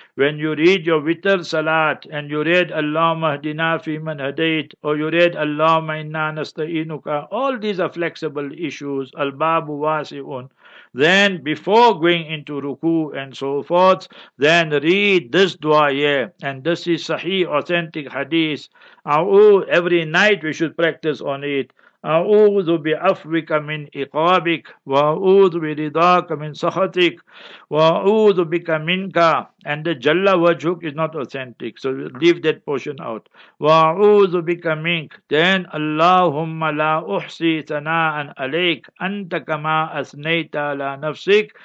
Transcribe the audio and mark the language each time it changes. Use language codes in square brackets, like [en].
[en] When you read your Witr Salat and you read [ar] Allahumma hdina fi man hadayt, [en] or you read [ar] Allahumma inna nasta'inuka, [en] all these are flexible issues, [ar] al-babu wasi'un. [en] Then before going into ruku and so forth, then read this dua here. And this is sahih authentic hadith. Every night we should practice on it. [ar] أعوذ بعفوك من إقابك وأعوذ برضاك من سخطك وأعوذ بك منك. [en] And the Jalla wajhuk is not authentic, so leave that portion out. [ar] وأعوذ بك منك. Then اللهم لا أحصي ثناء عليك أنت كما أثنيت على نفسك.